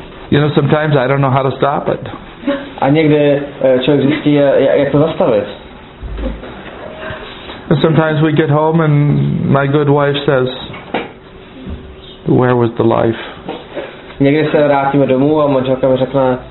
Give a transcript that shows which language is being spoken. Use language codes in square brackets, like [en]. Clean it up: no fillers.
[en] You know, sometimes I don't know how to stop it. [cs] A někdy člověk zjistí, jak to zastavit. [en] And sometimes we get home and my good wife says, where was the life? [cs] někdy se vrátíme domů a manželka mi řekne,